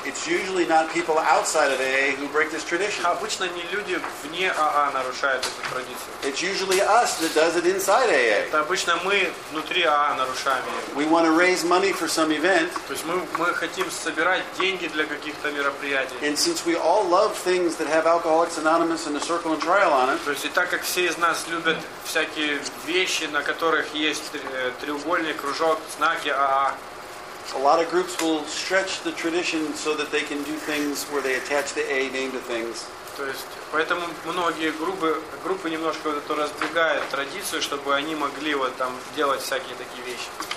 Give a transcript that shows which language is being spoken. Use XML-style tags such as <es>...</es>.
<en>It's usually not people outside of AA who break this tradition.</en> <ru>Обычно не люди вне АА нарушают эту традицию.</ru> <en>It's usually us that does it inside AA.</en> <ru>Это обычно мы внутри АА нарушаем ее.</ru> <en>We want to raise money for some event.</en> <ru>То есть мы хотим собирать деньги для каких-то мероприятий.</ru> <en>And since we all love things that have Alcoholics Anonymous and the Circle and Trial on it.</en> <ru>То есть и так как все из нас любят всякие вещи, на которых есть треугольник, кружок, знаки АА.</ru> <en>A lot of groups will stretch the tradition so that they can do things where they attach the A name to things.</en> <ru>То есть, поэтому многие группы немножко вот эту раздвигают традицию, чтобы они могли вот там делать всякие такие вещи.</ru>